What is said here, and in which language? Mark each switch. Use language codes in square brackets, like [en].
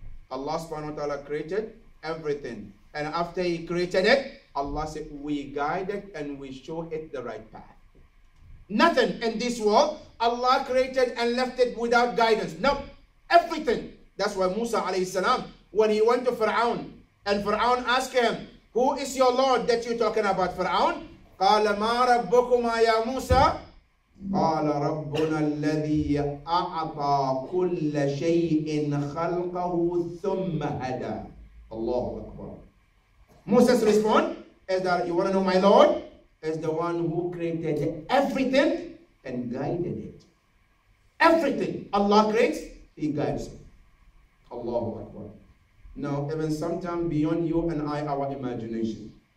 [en] Allah subhanahu wa ta'ala created everything. And after he created it, Allah said, we guide it and we show it the right path. Nothing in this world, Allah created and left it without guidance. No, everything. That's why Musa alayhi salam, when he went to Fir'aun, and Fir'aun asked him, who is your Lord that you're talking about, Fir'aun? [ar] قَالَ مَا رَبُّكُمَا يَا مُوسَى. قال ربنا الذي أعطى كل شيء خلقه ثم هدى. الله أكبر. [en] Moses respond, is that you want to know my Lord? Is the one who created everything and guided it. Everything Allah creates, he guides it. [ar] الله أكبر. [en] Now even sometime beyond you and I, our imagination.